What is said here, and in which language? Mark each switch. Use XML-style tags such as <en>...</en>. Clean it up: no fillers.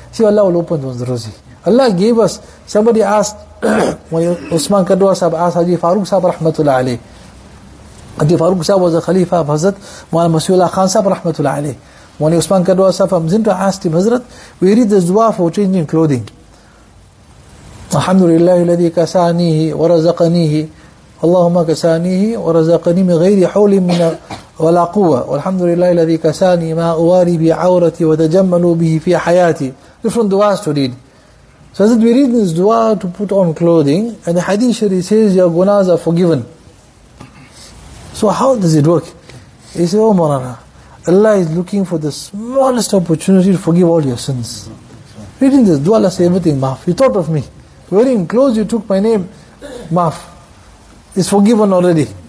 <en>See, Allah will open those rozi. Allah gave us, somebody asked, when Usman Kadwa Sahib asked Haji Farooq Sahib Rahmatullah Ali. Haji Farooq Sahib was a Khalifa of Hazrat Mawlana Masihullah Khan Sahib Rahmatullah Ali. When Usman Kadwa Sahib from Zinto asked him, Hazrat, we read the dua for changing clothing.</en> <ar>Alhamdulillah, الذي كسانيه ورزقنيه اللهم كسانيه ورزقني من غير حول من ولا قوة والحمد لله الذي كساني ما أواري بعورتي وتجمل به في حياتي.</ar> <en>Different duas to read. So as we read this dua to put on clothing, and the Hadith Sharif says your gunas are forgiven. So how does it work? He says, oh Marana, Allah is looking for the smallest opportunity to forgive all your sins. Reading this dua, Allah says everything, maaf. You thought of me. Wearing clothes, you took my name, maaf. It's forgiven already.</en>